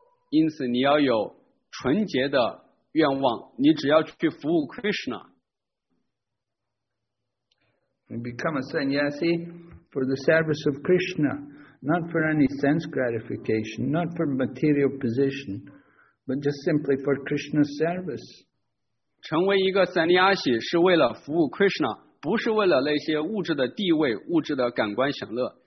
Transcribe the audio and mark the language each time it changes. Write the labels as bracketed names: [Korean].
[Chinese] 因此你要有纯洁的愿望，你只要去服务 Krishna。 [English] And become a sannyasi for the service of Krishna, not for any sense gratification, not for material position, but just simply for Krishna's service. [Chinese] 成为一个 sannyasi 是为了服务 Krishna, 不是为了那些物质的地位、物质的感官享乐。